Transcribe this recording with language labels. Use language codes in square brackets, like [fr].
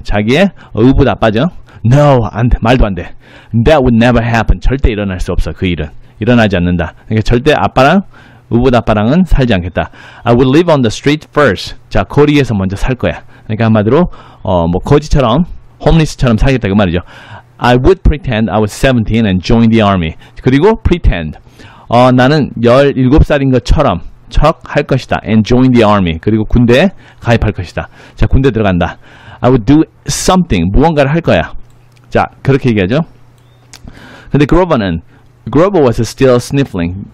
[ko] 자기의 의붓 아빠죠. [en] No, [ko] 안 돼. 말도 안 돼. [en] That would never happen. [ko] 절대 일어날 수 없어, 그 일은. 일어나지 않는다. 그러니까 절대 아빠랑, 의붓 아빠랑은 살지 않겠다. [en] I would live on the street first. [ko] 자, 거리에서 먼저 살 거야. 그러니까 한마디로, 뭐, 거지처럼, homeless처럼 살겠다, 그 말이죠. [en] I would pretend I was 17 and join the army. [ko] 그리고 pretend. 나는 17살인 것처럼, 척 할 것이다. [en] And join the army. [ko] 그리고 군대에 가입할 것이다. 자, 군대 들어간다. [en] I would do something. [ko] 무언가를 할 거야. 자, 그렇게 얘기하죠. [en] 근데 Grover was still sniffling.